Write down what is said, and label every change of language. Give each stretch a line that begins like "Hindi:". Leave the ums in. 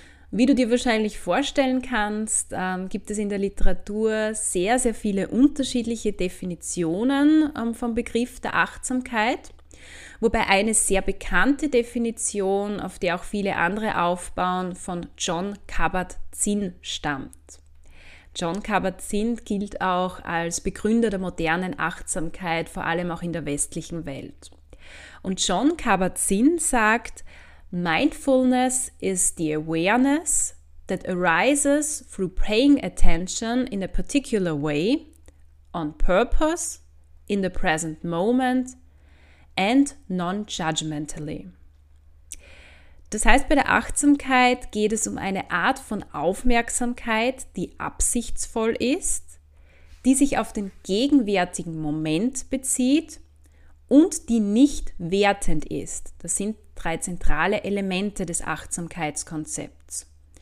German: Wie du dir wahrscheinlich vorstellen kannst, ähm, gibt es in der Literatur sehr, sehr viele unterschiedliche Definitionen ähm, vom Begriff der Achtsamkeit, wobei eine sehr bekannte Definition, auf der auch viele andere aufbauen, von John Kabat-Zinn stammt. John Kabat-Zinn gilt auch als Begründer der modernen Achtsamkeit, vor allem auch in der westlichen Welt. Und John Kabat-Zinn sagt,
English: Mindfulness is the awareness that arises through paying attention in a particular way, on purpose, in the present moment and non-judgmentally.
German: Das heißt, bei der Achtsamkeit geht es um eine Art von Aufmerksamkeit, die absichtsvoll ist, die sich auf den gegenwärtigen Moment bezieht und die nicht wertend ist. Das sind drei zentrale Elemente des Achtsamkeitskonzepts.